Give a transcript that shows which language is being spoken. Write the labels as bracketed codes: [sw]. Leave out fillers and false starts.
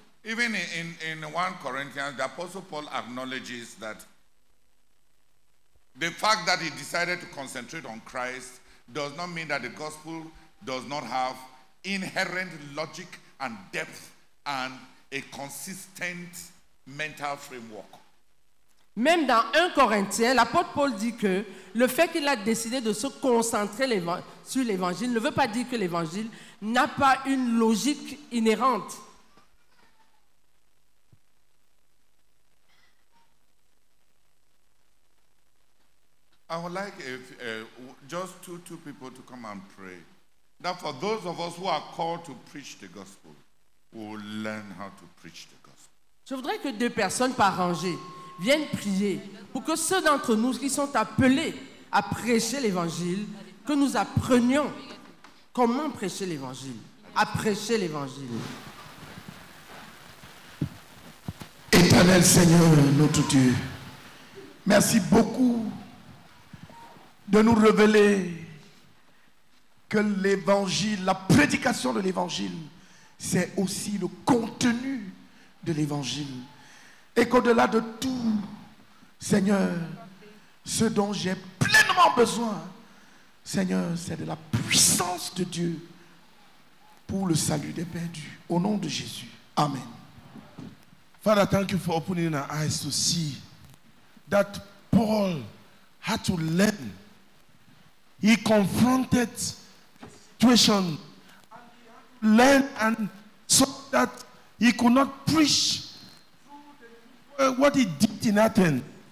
[en] Even in 1 Corinthians, the Apostle Paul acknowledges that the fact that he decided to concentrate on Christ does not mean that the gospel does not have inherent logic and depth and a consistent mental framework. [fr] Même dans 1 Corinthiens, l'apôtre Paul dit que le fait qu'il a décidé de se concentrer sur l'évangile ne veut pas dire que l'évangile n'a pas une logique inhérente. [en] I would like if just two people to come and pray. That for those of us who are called to preach the gospel, we will learn how to preach the gospel. [fr] Je voudrais que deux personnes par rangée viennent prier pour que ceux d'entre nous qui sont appelés à prêcher l'évangile, que nous apprenions comment prêcher l'évangile, à prêcher l'évangile. Éternel Seigneur, notre Dieu, merci beaucoup de nous révéler que l'évangile, la prédication de l'évangile, c'est aussi le contenu de l'évangile. Et qu'au-delà de tout, Seigneur, ce dont j'ai pleinement besoin, Seigneur, c'est de la puissance de Dieu pour le salut des perdus. Au nom de Jésus. Amen. [en] Father, thank you for opening our eyes to see that Paul had to learn. He confronted situation, learn and so that he could not preach what he did in Athens.